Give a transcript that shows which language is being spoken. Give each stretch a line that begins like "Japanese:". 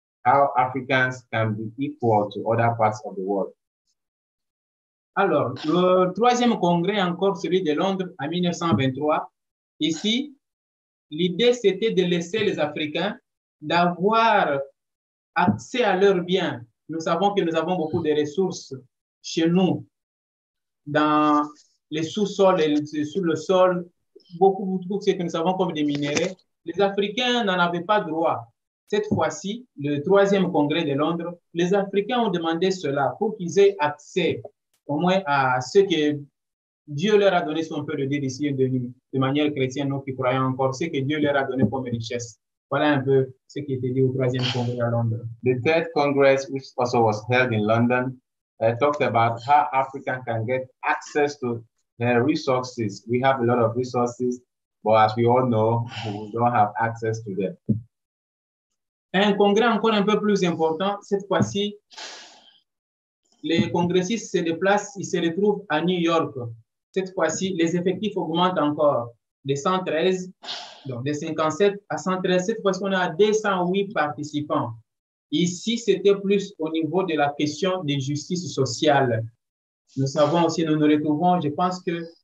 English: How Africans can be equal to other parts of the world.
French: Alors, le troisième congrès, encore celui de Londres, en 1923. Ici, l'idée, c'était de laisser les Africains d'avoir accès à leurs biens. Nous savons que nous avons beaucoup de ressources chez nous, dans les sous-sols et sur le sol, beaucoup de ce que nous savons comme des minéraux. Les Africains n'en avaient pas droit. Cette fois-ci, le troisième congrès de Londres, les Africains ont demandé cela pour qu'ils aient accès au moins à ce que Dieu leur a donné, si on peut le dire ici de manière chrétienne, nous qui croyons encore, ce que Dieu leur a donné comme richesse. Voilà un peu ce qui était dit au troisième congrès à Londres.
English: The third congress, which also was held in London, talked about how Africans can get access to their resources. We have a lot of resources, but as we all know, we don't have access to them.
French: Un congrès encore un peu plus important, cette fois-ci, les congressistes se déplacent, ils se retrouvent à New York. Cette fois-ci, les effectifs augmentent encore de 113, donc de 57 à 113. Cette fois-ci, on a 208 participants. Ici, c'était plus au niveau de la question de justice sociale. Nous savons aussi, nous nous retrouvons, je pense que